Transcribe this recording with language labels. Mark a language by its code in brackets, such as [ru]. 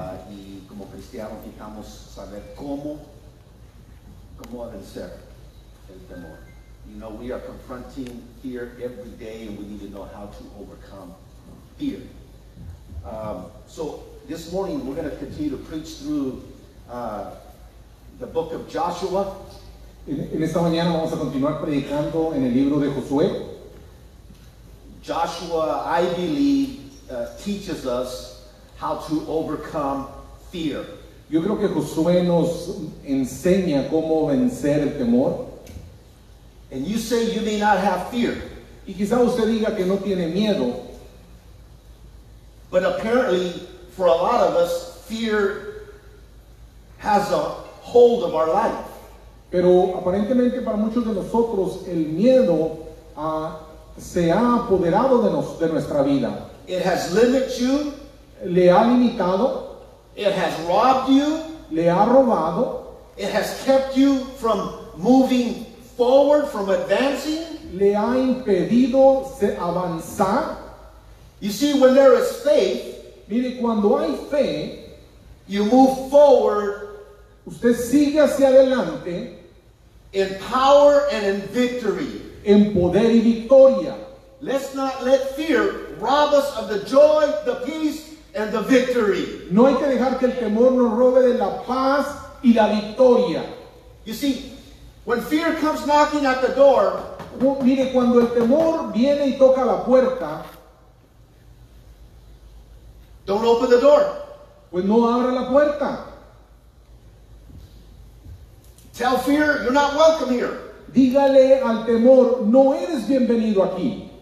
[es] Y como cristianos necesitamos saber cómo vencer el temor. [en] You know, we are confronting fear every day, and we need to know how to overcome fear. So this morning we're going to continue to preach through the book of Joshua. [es] En esta mañana vamos a continuar predicando en el libro de Josué. [en] Joshua, I believe, teaches us how to overcome fear. [es] Yo creo que Josué nos enseña cómo vencer el temor. [en] And you say you may not have fear. [es] Y quizá usted diga que no tiene miedo. [en] But apparently, for a lot of us, fear has a hold of our life. [es] Pero aparentemente para muchos de nosotros el miedo se ha apoderado de nuestra vida. [en] It has limited you. [es] Le ha limitado. [en] It has robbed you. [es] Le ha robado. [en] It has kept you from moving forward, from advancing. [es] Le ha impedido avanzar. [en] You see, when there is faith, [es] mire, cuando hay fe, [en] you move forward. [es] Usted sigue hacia adelante. [en] In power and in victory. [es] En poder y victoria. [en] Let's not let fear rob us of the joy, the peace, and the victory. [es] No hay que dejar que el temor nos robe de la paz y la victoria. [en] You see, when fear comes knocking at the door, [es] mire, cuando el temor viene y toca la puerta, [en] don't open the door. [es] Pues no abra la puerta. [en] Tell fear, you're not welcome here. [es] Dígale al temor, no eres bienvenido aquí.